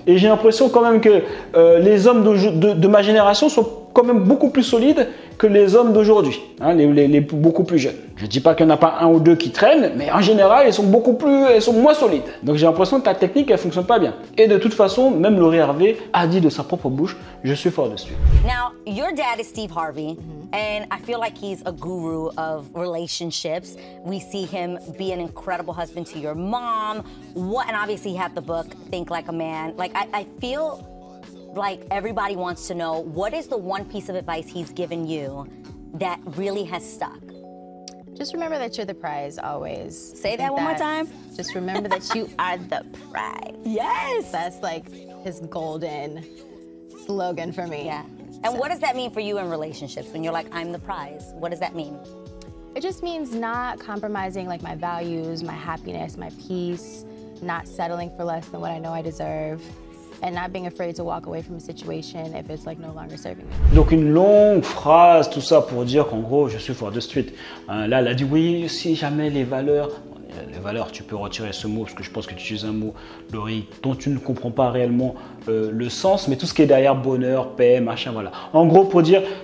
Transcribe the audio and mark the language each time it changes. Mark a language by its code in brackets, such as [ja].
[fr] Et j'ai l'impression quand même que les hommes de ma génération sont quand même beaucoup plus solides que les hommes d'aujourd'hui, hein, les beaucoup plus jeunes. Je ne dis pas qu'il n'y en a pas un ou deux qui traînent, mais en général, elles sont moins solides. Donc j'ai l'impression que ta technique, elle ne fonctionne pas bien. Et de toute façon, même Lori Harvey a dit de sa propre bouche, je suis fort dessus. [en] Now, your dad is Steve Harvey, and I feel like he's a guru of relationships. We see him be an incredible husband to your mom. And obviously, he had the book, Think Like a Man. Like, I feel like everybody wants to know, what is the one piece of advice he's given you that really has stuck? Just remember that you're the prize always. Say that one more time. Just remember that you are the prize. Yes. That's like his golden slogan for me. Yeah. And so, what does that mean for you in relationships when you're like, I'm the prize? What does that mean? It just means not compromising like my values, my happiness, my peace, not settling for less than what I know I deserve. And not being afraid to walk away from a situation if it's like no longer serving you. [fr] Donc une longue phrase, tout ça pour dire qu'en gros, je suis fort de street. Là, elle a dit oui, si jamais les valeurs... Les valeurs, tu peux retirer ce mot parce que je pense que tu utilises un mot, Lori, dont tu ne comprends pas réellement le sens, mais tout ce qui est derrière bonheur, paix, machin, voilà. En gros, pour dire,